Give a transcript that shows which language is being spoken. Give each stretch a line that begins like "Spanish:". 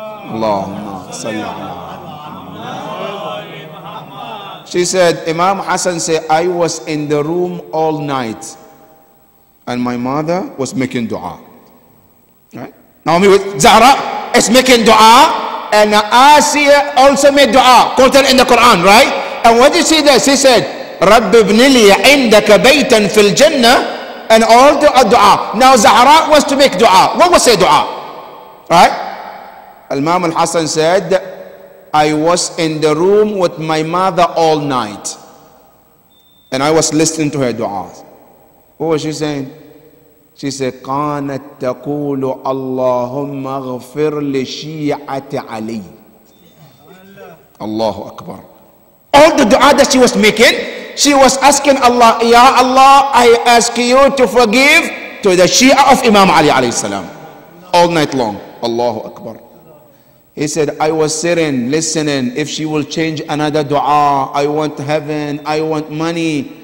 English: Allahumma salli ala Muhammad. She said, Imam Hassan said, I was in the room all night and my mother was making dua. Now me with Zahra is making dua and Asiya also made dua, quoted in the Quran, right? And what did she say? She said,
Arabic: رَبِّ ابْنِ لِي عِنْدَكَ بَيْتًا فِي الْجَنَّةِ,
English: and all the dua. Now Zahra was to make dua. What was her dua? Right? Imam al-Hassan said, I was in the room with my mother all night. And I was listening to her du'as. What was she saying? She said,
Arabic: كانت تقول اللهم اغفر لشيعة علي. Allahu Akbar.
English: All the du'a that she was making, she was asking Allah, Ya Allah, I ask you to forgive to the Shia of Imam Ali alayhi salam. All night long. Allahu Akbar. He said, I was sitting, listening. If she will change another dua, I want heaven, I want money.